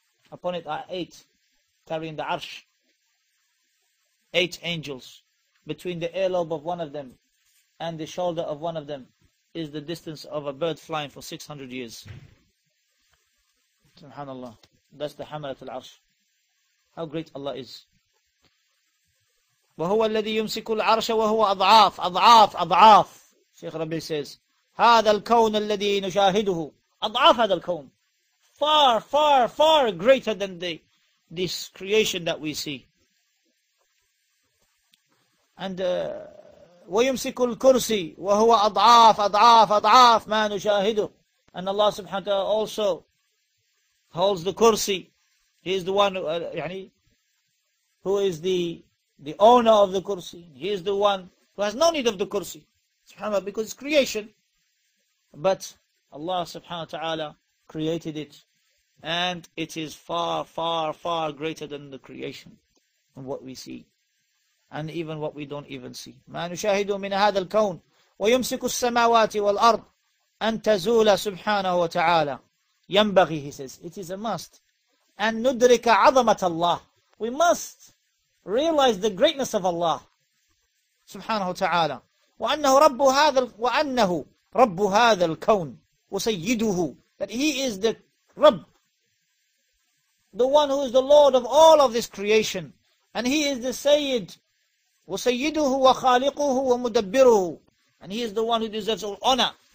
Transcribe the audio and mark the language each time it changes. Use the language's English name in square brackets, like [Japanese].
[English] Upon it are eight carrying the arsh. Eight angels. Between the earlobe of one of them and the shoulder of one of them is the distance of a bird flying for 600 years. Subhanallah. That's the hamalat al arsh. How great Allah is. [Arabic] وَهُوَ الَّذِي يُمْسِكُ الْعَرْشَ وَهُوَ أَضْعَافُ أَضْعَافُ أَضْعَافُ [English] Sheikh Rabbi says, [Arabic] هَذَا الْكَوْنَ الَّذِي نُشَاهِدُهُ أَضْعَافُ هَذَا الْكَوْنَ [English] Far, far, far greater than this creation that we see. And [Arabic] وَيُمْسِكُ الْكُرْسِي وَهُوَ أَضْعَافُ أَضْعَافُ أَضْعَافُ مَا نُشَاهِدُهُ [English] And Allah subhanahu wa ta'ala also holds the kursi. He is the one who is the owner of the kursi. He is the one who has no need of the kursi. SubhanAllah, because it's creation. But Allah subhanahu wa ta'ala created it. And it is far, far, far greater than the creation. And what we see. And even what we don't even see. [Arabic] مَا نُشَاهِدُ مِنَ هَذَا الْكَوْنِ وَيُمْسِكُ السَّمَاوَاتِ وَالْأَرْضِ أَنْ تَزُولَ سُبْحَانَهُ وَتَعَالَى يَنْبَغِي [English] He says, it is a must. [Arabic] أَنْ نُدْرِكَ عَظَمَةَ اللَّهِ [English] We must. Realize the greatness of Allah subhanahu wa ta'ala. [Arabic] وَأَنَّهُ رَبُّ هَذَا الْكَوْنِ وَسَيِّدُهُ [English] That he is the Rabb, the one who is the Lord of all of this creation. And he is the Sayyid. [Arabic] وَسَيِّدُهُ وَخَالِقُهُ وَمُدَبِّرُهُ [English] And he is the one who deserves all honor.